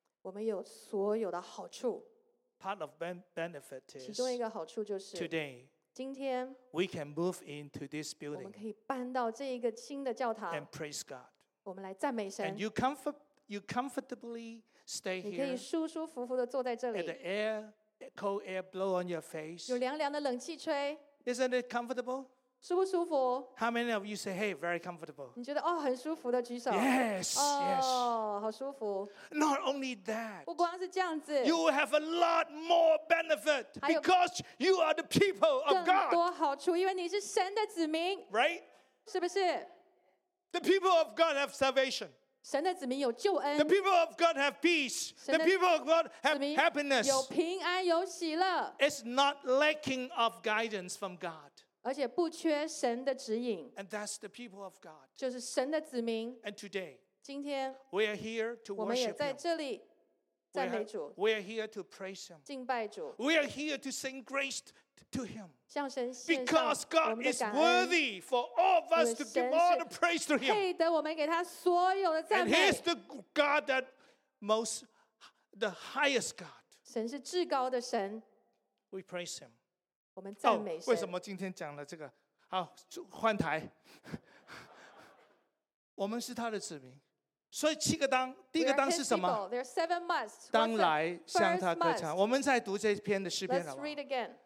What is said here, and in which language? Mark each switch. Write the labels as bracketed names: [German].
[Chinese] 我们有所有的好处。 [English] Part of benefit is [Chinese] 其中一个好处就是 [English] today. [Chinese] 今天 [English] we can move into this building. [Chinese] 我们可以搬到这一个新的教堂。 [English] And praise God. [Chinese] 我们来赞美神。 [English] And you comfortably stay here. [Chinese] 你可以舒舒服服的坐在这里。 [English] And the air, cold air blow on your face. [Chinese] 有凉凉的冷气吹。 [English] Isn't it comfortable? [Chinese] 舒不舒服? [English] How many of you say, hey, very comfortable? [Chinese] 你觉得哦，很舒服的举手。 [English] Yes, yes. [Chinese] 哦，好舒服。 [English] Not only that. [Chinese] 不光是这样子。 [English] You will have a lot more benefit because you are the people of God. [Chinese] 更多好处，因为你是神的子民。 [English] Right? [Chinese] 是不是? [English] The people of God have salvation. [Chinese] 神的子民有救恩。 [English] The people of God have peace. The people of God have happiness. [Chinese] 有平安，有喜乐。 [English] It's not lacking of guidance from God. [Chinese] 而且不缺神的指引 [English] and that's the people of God. [Chinese] 就是神的子民 [English] and today, [Chinese] 今天 [English] we are here to worship [Chinese] 我们也在这里赞美主 [English] we are here to praise him [Chinese] 敬拜主 [English] we are here to sing grace to him [Chinese] 向神献上 [English] because God is worthy for all of us to give all the praise to him [Chinese] 配得我们给他所有的赞美 [English] and he is the God that most the highest God [Chinese] 神是至高的神 [English] we praise him [Chinese] 我们赞美神为什么今天讲了这个好换台我们是他的子民所以七个当第一个当是什么 [English] There are seven musts. [Chinese] 当来向他歌唱我们再读这篇的诗篇 [English] Let's read again